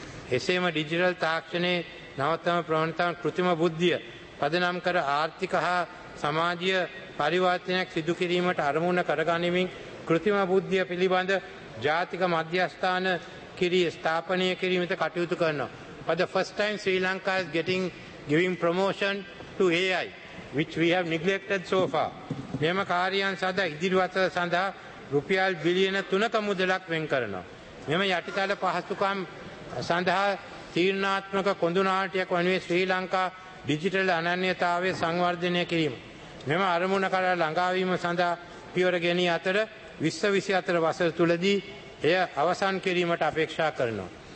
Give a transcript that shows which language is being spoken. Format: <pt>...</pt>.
<si>එසේම ඩිජිටල් තාක්ෂණයේ නවතම ප්‍රවණතාව කෘත්‍රිම බුද්ධිය පදනම් කර ආර්ථික හා සමාජීය පරිවර්තනයක් සිදු කිරීමට අරමුණ කරගනිමින් කෘත්‍රිම බුද්ධිය පිළිබඳ ජාතික මධ්‍යස්ථාන කිරී ස්ථාපනය කිරීමට කටයුතු කරනවා.</si> <en>For the first time Sri Lanka is giving promotion to AI which we have neglected so far.</en> <si>මෙම කාර්යයන් සඳහා ඉදිරි වසර සඳහා රුපියල් බිලියන 3ක මුදලක් වෙන් කරනවා. මෙම යටිතල පහසුකම් සඳහා තීරණාත්මක කොඳු නාට්‍යයක් වනුයේ ශ්‍රී ලංකා ඩිජිටල් අනන්‍යතාවයේ සංවර්ධනය කිරීම. මෙම අරමුණ කරා ළඟා වීම සඳහා පියවර ගැනී අතර 2024 වසර තුලදී එය අවසන් කිරීමට අපේක්ෂා කරනවා.</si>